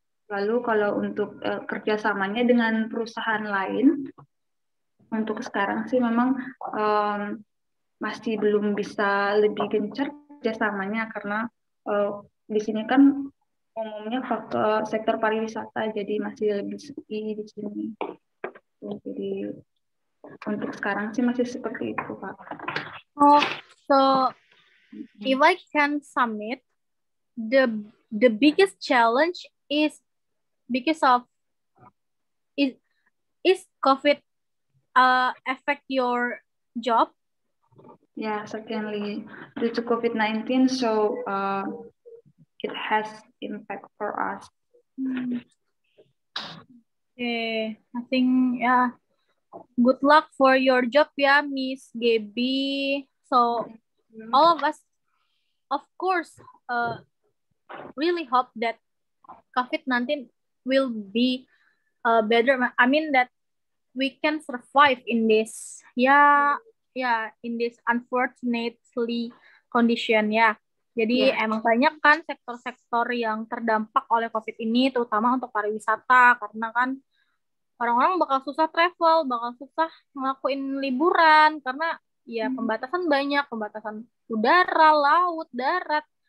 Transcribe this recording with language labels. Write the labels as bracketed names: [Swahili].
[Indonesian] Lalu kalau untuk kerjasamanya dengan perusahaan lain, untuk sekarang sih memang masih belum bisa lebih gencar kerjasamanya, karena di sini kan umumnya faktor sektor pariwisata, jadi masih lebih sepi di sini. Jadi untuk sekarang sih masih seperti itu, Pak. [English] Oh, so if I can submit, the biggest challenge is because of is COVID affect your job? Yeah, certainly due to COVID-19, so it has impact for us. Okay, I think yeah. Good luck for your job, yeah, Miss Gabby. So all of us, of course, really hope that COVID-19 will be better. I mean that we can survive in this, in this unfortunately condition, ya. [Indonesian] Jadi emang banyak kan sektor-sektor yang terdampak oleh COVID ini, terutama untuk pariwisata, karena kan orang-orang bakal susah travel, bakal susah ngelakuin liburan, karena ya pembatasan banyak, pembatasan udara, laut, darat.